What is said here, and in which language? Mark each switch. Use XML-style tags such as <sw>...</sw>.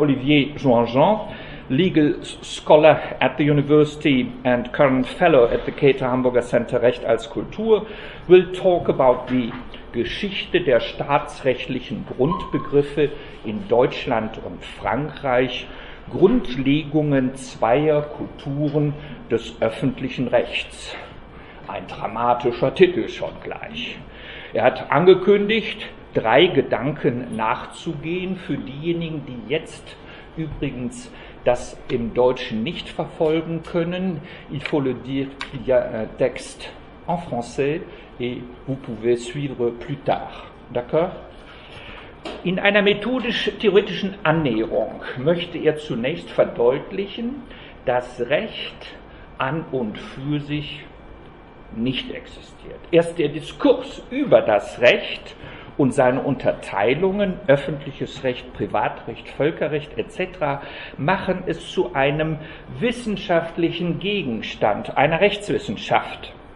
<en>Olivier Jean-Jean, Legal Scholar at the University and current Fellow at the Cater Hamburger Center Recht als Kultur, will talk about the Geschichte der staatsrechtlichen Grundbegriffe in Deutschland und Frankreich, Grundlegungen zweier Kulturen des öffentlichen Rechts.</en> <de>Ein dramatischer Titel schon gleich. Er hat angekündigt, drei Gedanken nachzugehen für diejenigen, die jetzt übrigens das im Deutschen nicht verfolgen können.</de> <fr>Il faut le dire qu'il y a un texte en français et vous pouvez suivre plus tard. D'accord?</fr> <de>In einer methodisch-theoretischen Annäherung möchte er zunächst verdeutlichen, dass Recht an und für sich nicht existiert. Erst der Diskurs über das Recht und seine Unterteilungen, öffentliches Recht, Privatrecht, Völkerrecht etc., machen es zu einem wissenschaftlichen Gegenstand, einer Rechtswissenschaft.</de>